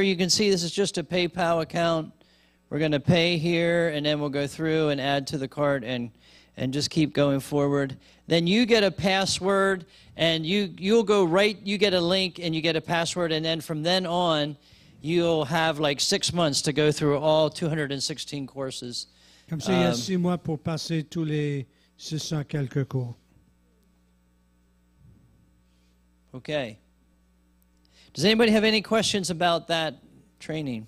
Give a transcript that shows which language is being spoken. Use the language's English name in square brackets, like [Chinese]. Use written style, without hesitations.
[English] You can see this is just a PayPal account. We're going to pay here, and then we'll go through and add to the cart and just keep going forward. Then you get a password, and you'll go right. You get a link, and you get a password, and then from then on, you'll have like 6 months to go through all 216 courses. [French] Comme ça, il y a 6 mois pour passer tous les 600 quelques cours. [English] Okay. Does anybody have any questions about that training?